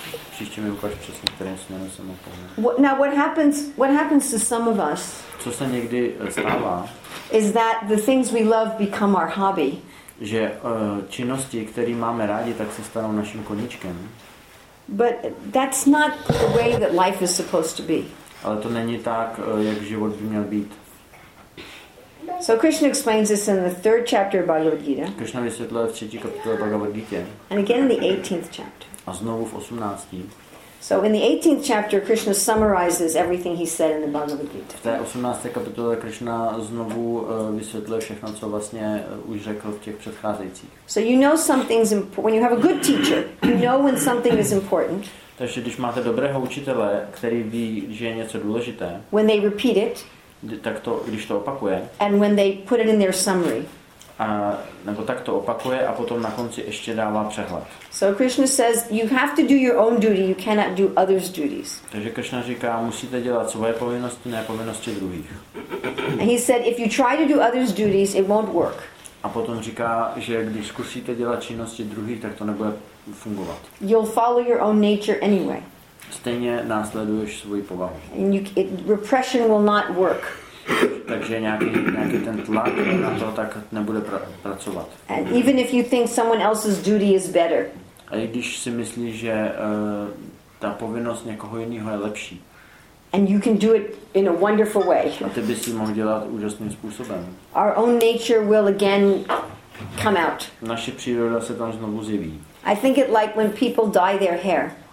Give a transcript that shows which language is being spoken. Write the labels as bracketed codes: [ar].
[cs] Příště mi ukáž přesně, kterým směrem jsem mohl pohnout. [en] Now what happens to some of us? [cs] Co se někdy stává? [en] Is that the things we love become our hobby? [cs] Že činnosti, které máme rádi, tak se stanou naším koníčkem. [en] But that's not the way that life is supposed to be. [cs] Ale to není tak, jak život by měl být. [en] So Krishna explains this in the third chapter of Bhagavad Gita. [cs] Krishna vysvětluje v třetí kapitole Bhagavad Gita. [en] And again in the 18th chapter. [cs] A znovu v 18. [en] So in the 18th chapter Krishna summarizes everything he said in the Bhagavad Gita. [cs] V té 18. kapitole Krishna znovu vysvětluje všechno, co vlastně už řekl v těch předcházejících. [en] So you know something's important when you have a good teacher. You know when something is important. [cs] Takže když máte dobrého učitele, který ví, že je něco důležité. [en] When they repeat it. [cs] Tak to, když to opakuje. [en] And when they put it in their summary. [cs] A nebo tak to opakuje a potom na konci ještě dává přehled. [en] So Krishna says you have to do your own duty, you cannot do others' duties. [cs] Takže Krishna říká, musíte dělat svoje povinnosti, ne povinnosti druhých. [en] And he said if you try to do others' duties, it won't work. [cs] A potom říká, že když zkusíte dělat činnosti druhých, tak to nebude fungovat. [en] You'll follow your own nature anyway. [cs] Stejně následuješ svůj povahu. [en] And you, it, repression will not work. [cs] Takže nějaký ten tlak na to tak nebude pracovat. [en] And even if you think someone else's duty is better. [cs] A i když si myslíš, že ta povinnost někoho jiného je lepší. [en] And you can do it in a wonderful way. [cs] A ty bys si mohl dělat úžasným způsobem. [en] Our own nature will again come out. [cs] Naše příroda se tam znovu zjeví. [en] I think it like when people dye their hair.